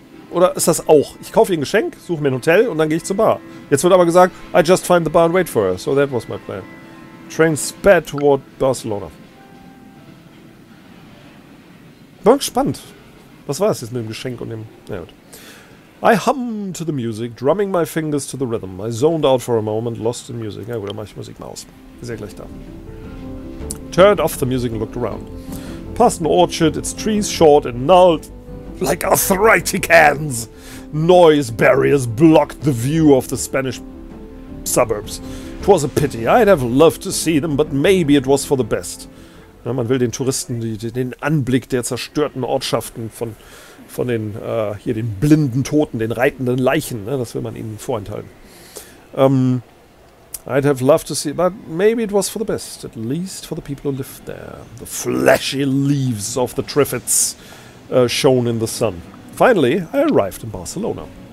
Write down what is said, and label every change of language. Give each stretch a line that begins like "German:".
German: Oder ist das auch? Ich kaufe ihr ein Geschenk, suche mir ein Hotel und dann gehe ich zur Bar. Jetzt wird aber gesagt,
English: I just find the bar and wait for her. So that was my plan. Train sped toward Barcelona.
German: Bin gespannt. Was war es jetzt mit dem Geschenk und dem... Na gut.
English: I hummed to the music, drumming my fingers to the rhythm. I zoned out for a moment, lost in music.
German: Na gut, dann mach ich Musik mal aus. Ist ja gleich da.
English: Turned off the music and looked around. Past an orchard, its trees short and gnarled like arthritic hands. Noise barriers blocked the view of the Spanish suburbs. It was a pity. I'd have loved to see them, but maybe it was for the best.
German: Ja, man will den Touristen den Anblick der zerstörten Ortschaften von den hier den blinden Toten, den reitenden Leichen, ne, das will man ihnen vorenthalten.
English: I'd have loved to see, but maybe it was for the best, at least for the people who lived there. The flashy leaves of the Triffids shone in the sun. Finally, I arrived in Barcelona.